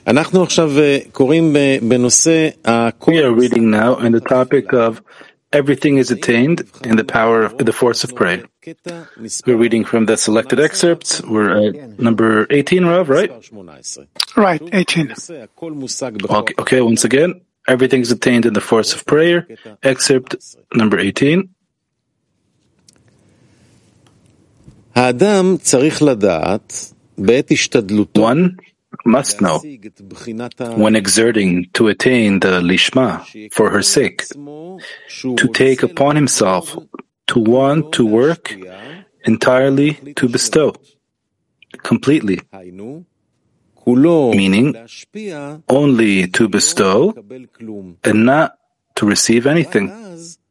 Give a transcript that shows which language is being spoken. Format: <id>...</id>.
<he>אנחנו עכשיו קוראים בנושא</he> <en>We are reading now on the topic of Everything is attained in the power of the force of prayer. We're reading from the selected excerpts. We're at number 18, Rav, right? Right, 18. Okay, once again, everything is attained in the force of prayer. Excerpt number 18.</en> <he>האדם צריך לדעת בעת השתדלותו.</he> <en>One must know when exerting to attain the lishma for her sake, to take upon himself to want to work entirely to bestow completely, meaning only to bestow and not to receive anything.</en>